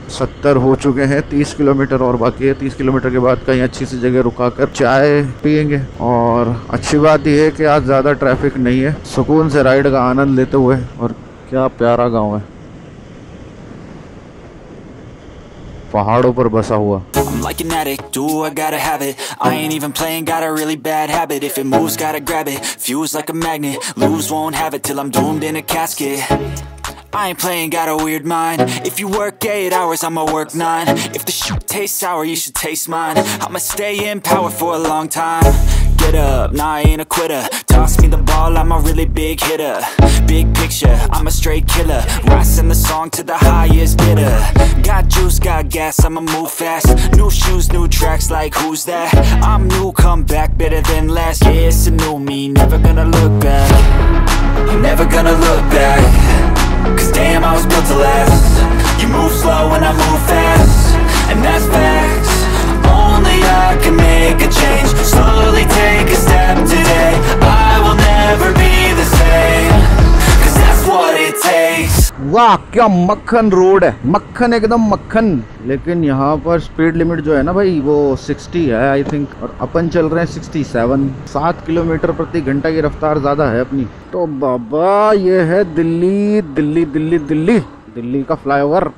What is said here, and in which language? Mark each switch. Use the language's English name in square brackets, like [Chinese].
[Hindi] 70 हो चुके हैं, 30 किलोमीटर और बाकी है। 30 किलोमीटर के बाद कहीं अच्छी सी जगह रुका कर चाय पियेंगे। और अच्छी बात यह है कि आज ज़्यादा ट्रैफिक नहीं है। सुकून से राइड का आनंद लेते हुए। और क्या प्यारा गाँव है, पहाड़ों पर बसा हुआ। [English] I'm like an addict, do I gotta have it? I ain't even playing, got a really bad habit. If it moves, gotta grab it. Fuse like a magnet, lose, won't have it till I'm doomed in a casket. I ain't playing, got a weird mind. If you work 8 hours, I'ma work 9. If the shit tastes sour, you should taste mine. I'ma stay in power for a long time. Get up, nah, I ain't a quitter. Toss me the ball, I'm a really big hitter. Big picture, I'm a straight killer. Rising the song to the highest bidder. Got juice, got gas, I'ma move fast. New shoes, new tracks, like who's that? I'm new, come back, better than last. Yeah, it's a new me, never gonna look back. Never gonna look back. Cause damn, I was built to last. You move slow and I move fast. And that's facts. Only I can make a change. Slowly take a step today. I will never be the same. Cause that's what it takes. [Hindi] वाह, क्या मक्खन road है, मक्खन एकदम मक्खन। लेकिन यहाँ पर स्पीड लिमिट जो है ना भाई, वो 60 है [English] I think, [Hindi] और अपन चल रहे हैं 67। 7 किलोमीटर प्रति घंटा की रफ्तार ज़्यादा है अपनी। तो बाबा, ये है दिल्ली, दिल्ली दिल्ली दिल्ली दिल्ली का फ्लाईओवर।